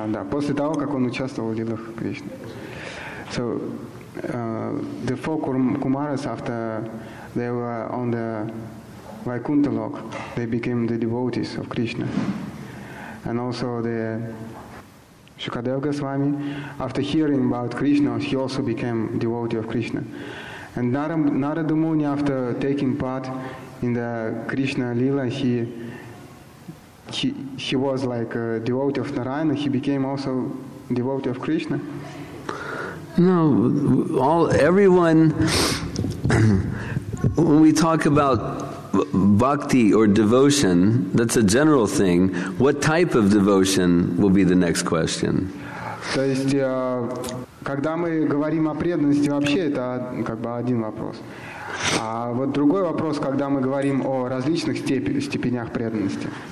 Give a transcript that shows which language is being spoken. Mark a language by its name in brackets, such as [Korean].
[Russian] После того, как он участвовал в лилах Кришны. [English] So, the four Kumaras, after they were on the Vaikuntha Lok, they became the devotees of Krishna. And also the Shukadev Goswami, after hearing about Krishna, he also became devotee of Krishna. And Narada Muni, after taking part in the Krishna Lila, he was like a devotee of Narayana, he became also devotee of Krishna. No, everyone, when we talk about bhakti or devotion, that's a general thing. What type of devotion will be the next question? [Russian] То есть, Когда мы говорим о преданности вообще, это как бы один вопрос. А вот другой вопрос, когда мы говорим о различных степенях преданности.